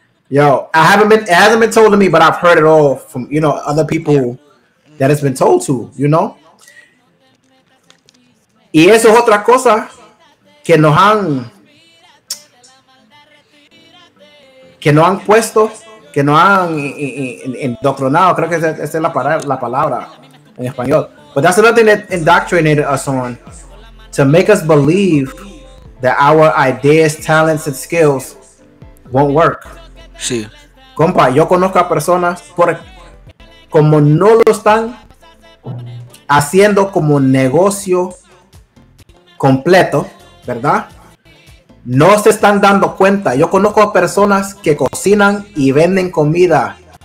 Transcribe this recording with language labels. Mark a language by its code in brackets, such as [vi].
[en] Yo, it hasn't been told to me, but I've heard it all from, you know, other people that it's been told to, you know? [es] Y eso es otra cosa que nos han puesto, que nos han indoctrinado, creo que esa es la palabra en español. [en] But that's another thing that indoctrinated us on, to make us believe that our ideas, talents, and skills won't work. [es] Sí. Compa, yo conozco a personas como no lo están haciendo como negocio completo, ¿verdad? No se están dando cuenta. Yo conozco a personas que cocinan y venden comida.